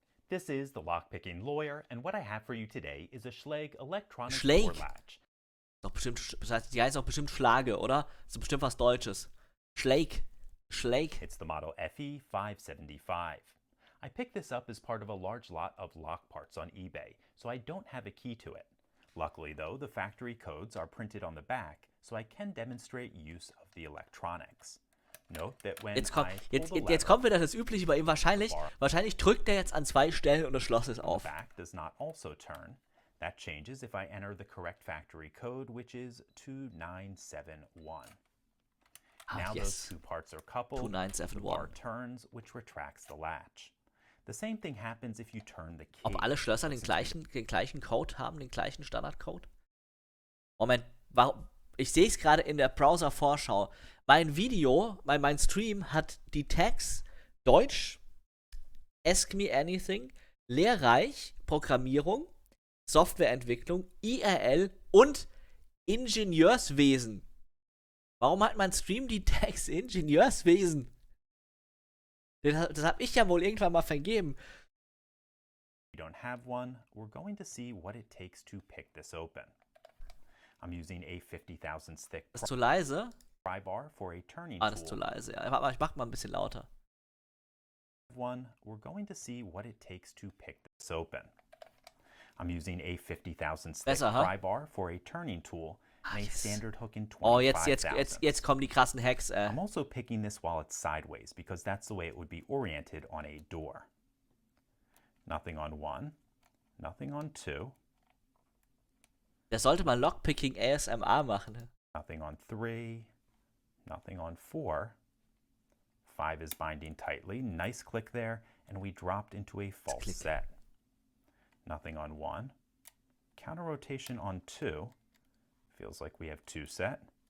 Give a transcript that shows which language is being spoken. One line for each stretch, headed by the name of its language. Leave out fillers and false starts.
English: This is the Lockpicking Lawyer, and what I have for you today is a Schlage electronic Schlage. Door latch.
German: Doch bestimmt, das heißt, die heißt auch bestimmt Schlage, oder? Das ist bestimmt was Deutsches. Schlage.
English: It's the model FE575. I picked this up as part of a large lot of lock parts on eBay, so I don't have a key to it. Luckily, though, the factory codes are printed on the back, so I can demonstrate use of the electronics. Note that when
German: jetzt kommt wieder das Übliche bei ihm. Wahrscheinlich drückt jetzt an zwei Stellen und das Schloss ist auf.
English: The back does not also turn. That changes if I enter the correct factory code, which is 2971. Now yes. Those two parts are coupled, the bar turns, which retracts the latch. The same thing happens if you turn the key.
German: Ob alle Schlösser den gleichen Code haben, den gleichen Standardcode? Moment, warum? Ich sehe es gerade in der Browser-Vorschau. Mein Video, mein Stream hat die Tags Deutsch, Ask Me Anything, Lehrreich, Programmierung, Softwareentwicklung, IRL und Ingenieurswesen. Warum hat mein Stream die Tags Ingenieurswesen? Das habe ich ja wohl irgendwann mal vergeben.
English: If you don't have one, we're going to see what it takes to pick this open. I'm using a 50,000 thick pry.
German: Ist zu leise.
English: Pry bar for a turning tool.
German: Ah, das ist zu leise. Ja, warte mal, ich mach mal ein bisschen lauter.
English: One, we're going to see what it takes to pick this open. I'm using a 50,000 thick
German: besser,
English: pry huh? bar for a turning tool. Ah, yes. Standard hook in
German: 25, oh, jetzt kommen die krassen Hacks.
English: I'm also picking this while it's sideways because that's the way it would be oriented on a door. Nothing on one, nothing on two.
German: Der sollte mal Lockpicking ASMR machen.
English: Nothing on three, nothing on four. Five is binding tightly. Nice click there, and we dropped into a false set. Nothing on one. Counter rotation on two. Feels like we have two set.